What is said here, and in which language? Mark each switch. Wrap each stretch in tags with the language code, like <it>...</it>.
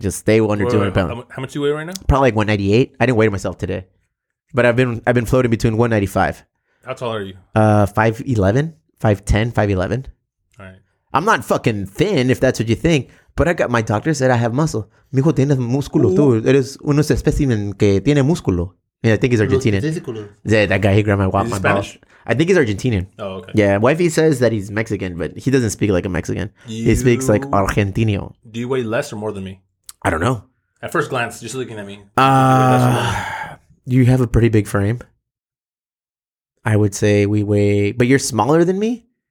<en>Just stay under 200 pounds. How much do you weigh right now? Probably like 198. I didn't weigh myself today, but I've been floating between 195. How tall are you? 5'11", 5'10", 5'11". I'm not fucking thin, if that's what you think. But I got my doctor said I have muscle.</en> <es>Mijo, tienes músculo, tú. Eres un especimen que tiene músculo.</es> <en>Yeah, I think he's Argentinian. Yeah, that guy, he grabbed my wife. Is he Spanish? I think he's Argentinian. Oh, okay. Yeah, wifey says that he's Mexican, but he doesn't speak like a Mexican. He speaks like Argentino. Do you weigh less or more than me? I don't know. At first glance, just looking at me. You have a pretty big frame. I would say we weigh, but you're smaller than me?</en>